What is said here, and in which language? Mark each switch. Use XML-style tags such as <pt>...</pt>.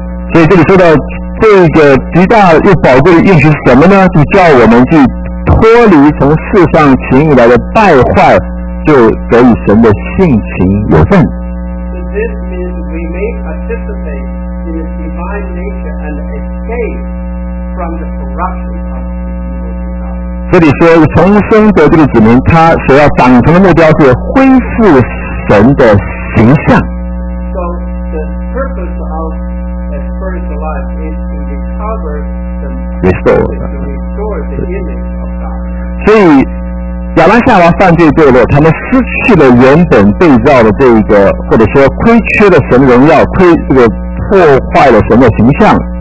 <zh>所以这里说的这个极大又宝贵的应许是什么呢？就叫我们去脱离从世上情欲来的败坏，就得与神的性情有份。</zh> <en>This means we may participate in His divine nature and escape from the corruption of evil desires.</en> <zh>这里说重生的这个子民，他所要长成的目标是恢复神的形象。</zh> <en>So the purpose of a spiritual life is to recover the restore the image of God.</en> <zh>所以亚当夏娃犯罪堕落，他们失去了原本被造的这一个，或者说亏缺了神荣耀，亏这个破坏了神的形象。</zh>